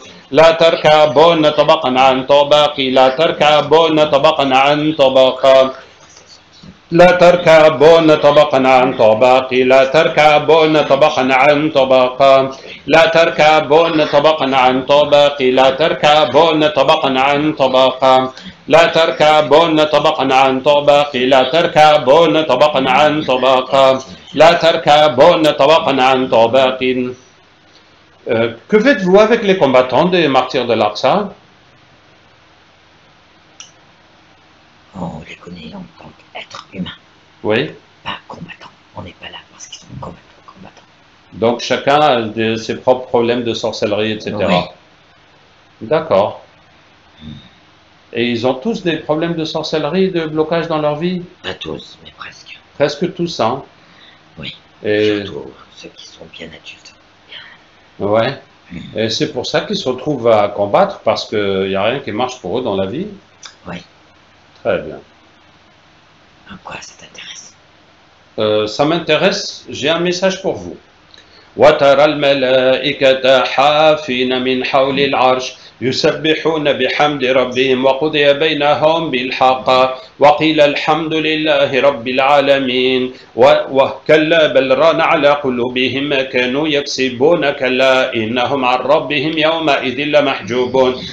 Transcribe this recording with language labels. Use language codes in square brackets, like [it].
[ar] لا تركبون طبقا عن طبق، لا تركبون طبقا عن طبق، لا تركبون طبقا عن طبق، لا تركبون طبقا عن طبق، لا تركبون طبقا عن طبق، لا تركبون طبقا عن طبق، لا تركبون طبقا عن طبق، لا تركبون طبقا عن طبق، لا تركبون طبقا عن طبق. [fr] Que faites-vous avec les combattants des martyrs de l'Aqsa? On les connaît en tant qu'êtres humains. Oui. Pas combattants. On n'est pas là parce qu'ils sont combattants. Donc chacun a ses propres problèmes de sorcellerie, etc. Oui. D'accord. Et ils ont tous des problèmes de sorcellerie, de blocage dans leur vie? Pas tous, mais presque. Presque tous, hein? Oui, et... surtout ceux qui sont bien adultes. Ouais. Et c'est pour ça qu'ils se retrouvent à combattre, parce qu'il n'y a rien qui marche pour eux dans la vie. Oui. Très bien. À quoi ça t'intéresse? Ça m'intéresse, j'ai un message pour vous. [ar] وترى الملائكة حافين من حول العرش يسبحون بحمد ربهم وقضي بينهم بالحق وقيل الحمد لله رب العالمين وكلا بل ران على قلوبهم ما كانوا يكسبون كلا إنهم عن ربهم يومئذ لمحجوبون